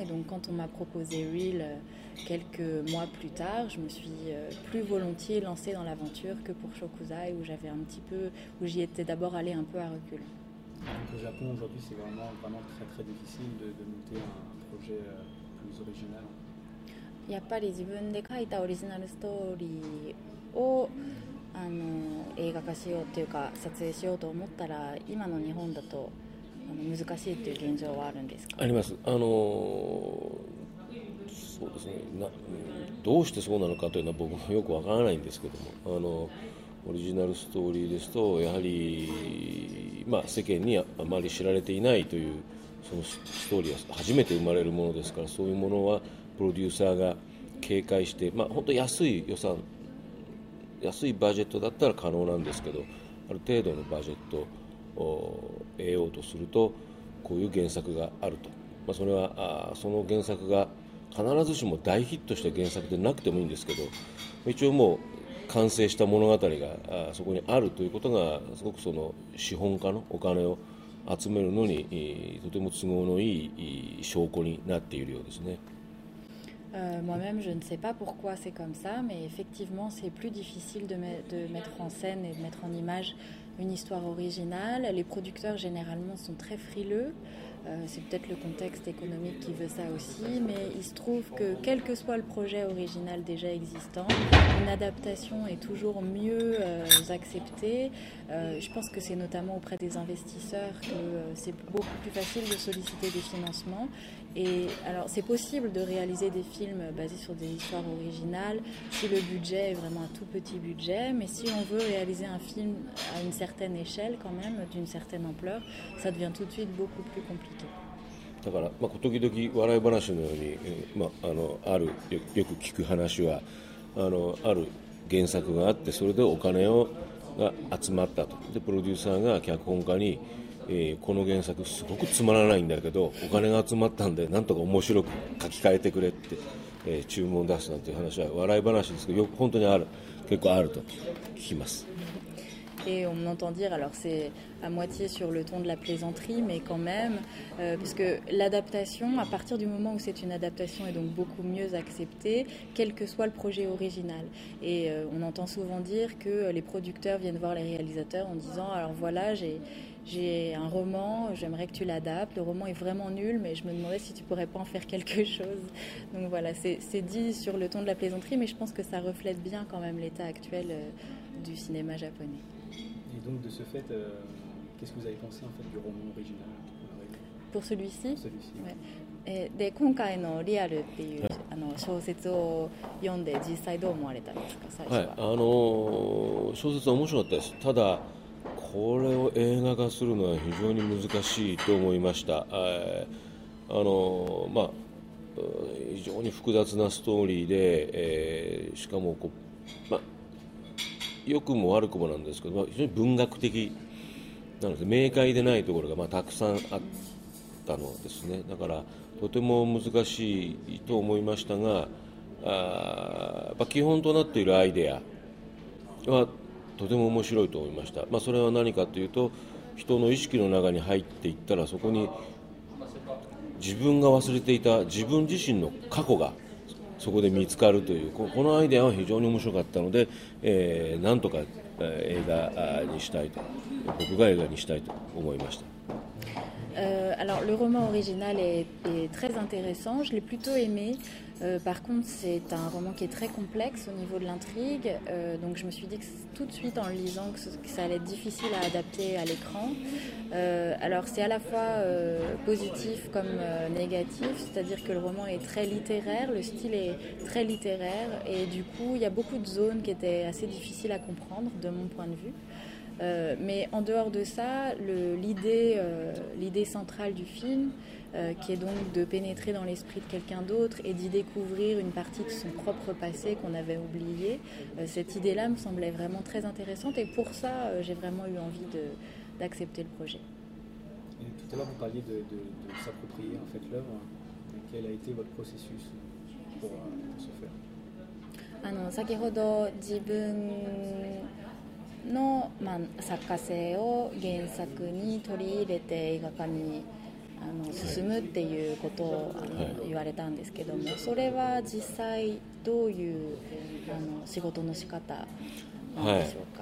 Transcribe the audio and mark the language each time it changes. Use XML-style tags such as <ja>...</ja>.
<fr>Et donc, quand on m'a proposé Reel quelques mois plus tard, je me suis plus volontiers lancée dans l'aventure que pour Shokuzai, où j'y étais d'abord allée un peu à recul. Donc, au Japon aujourd'hui, c'est vraiment vraiment très très difficile de monter un projet plus original.</fr> <ja>やっぱり自分で書いたオリジナルストーリーを映画化しようというか撮影しようと思ったら、今の日本だと難しいという現状はあるんですか？あります。そうですね、どうしてそうなのかというのは僕もよくわからないんですけども、オリジナルストーリーですとやはり、まあ、世間にあまり知られていないという、そのストーリーは初めて生まれるものですから、そういうものはプロデューサーが警戒して、まあ、本当に安いバジェットだったら可能なんですけど、ある程度のバジェットを得ようとするとこういう原作があると、まあ、それはその原作が必ずしも大ヒットした原作でなくてもいいんですけど、一応もう完成した物語がそこにあるということがすごくその資本家のお金を集めるのにとても都合のいい証拠になっているようですね。</ja> <fr>Moi-même, je ne sais pas pourquoi c'est comme ça, mais effectivement, c'est plus difficile de mettre en scène et de mettre en image une histoire originale. Les producteurs, généralement, sont très frileux. C'est peut-être le contexte économique qui veut ça aussi, mais il se trouve que, quel que soit le projet original déjà existant, une adaptation est toujours mieux acceptée. Je pense que c'est notamment auprès des investisseurs que c'est beaucoup plus facile de solliciter des financements. Et alors, c'est possible de réaliser des films basés sur des histoires originales si le budget est vraiment un tout petit budget, mais si on veut réaliser un film à une certaine échelle quand même, d'une certaine ampleur, ça devient tout de suite beaucoup plus compliqué.</fr> <ja>だから、まあ、時々笑い話のように、まあ、あるよく聞く話はある原作があってそれでお金をが集まったとでプロデューサーが脚本家に、この原作すごくつまらないんだけどお金が集まったんでなんとか面白く書き換えてくれって、注文を出すなんていう話は笑い話ですけどよく本当にある結構あると聞きます</ja> <fr>Et on entend dire, alors c'est à moitié sur le ton de la plaisanterie, mais quand même, parce que l'adaptation, à partir du moment où c'est une adaptation, est donc beaucoup mieux acceptée, quel que soit le projet original. Et on entend souvent dire que les producteurs viennent voir les réalisateurs en disant, alors voilà, j'ai un roman, j'aimerais que tu l'adaptes, le roman est vraiment nul, mais je me demandais si tu pourrais pas en faire quelque chose. Donc voilà, c'est dit sur le ton de la plaisanterie, mais je pense que ça reflète bien quand même l'état actuel du cinéma japonais. Et donc, de ce fait, qu'est-ce que vous avez pensé en fait, du roman original pour celui-ci, pour celui-ci ouais.</fr> <ja>で今回のリアルっていう、はい、小説を読んで実際どう思われたんですか最初は、はい小説は面白かったですただこれを映画化するのは非常に難しいと思いましたまあ、非常に複雑なストーリーで、しかもこう、ま、良くも悪くもなんですけど、まあ、非常に文学的なので明快でないところが、まあ、たくさんあったのですねだからとても難しいと思いましたがやっぱ基本となっているアイデアはとても面白いと思いました、まあ、それは何かというと人の意識の中に入っていったらそこに自分が忘れていた自分自身の過去がそこで見つかるというこのアイデアは非常に面白かったので、なんとか映画にしたいと僕が映画にしたいと思いました</ja> <fr>Alors le roman original est très intéressant, je l'ai plutôt aimé. Par contre c'est un roman qui est très complexe au niveau de l'intrigue, donc je me suis dit que tout de suite en le lisant que ça allait être difficile à adapter à l'écran. Alors c'est à la fois positif comme négatif, c'est-à-dire que le roman est très littéraire, le style est très littéraire et du coup il y a beaucoup de zones qui étaient assez difficiles à comprendre de mon point de vue. Mais en dehors de ça, l'idée centrale du film, qui est donc de pénétrer dans l'esprit de quelqu'un d'autre et d'y découvrir une partie de son propre passé qu'on avait oublié, cette idée-là me semblait vraiment très intéressante et pour ça, j'ai vraiment eu envie d'accepter le projet. Et tout à l'heure, vous parliez de s'approprier en fait, l'œuvre. Quel a été votre processus pour ce faire ? Ah non,</fr> <ja>先ほど自分の、まあ、作家性を原作に取り入れて映画化に進むっていうことを、はい、言われたんですけどもそれは実際どういう仕事の仕方なんでしょうか、</ja>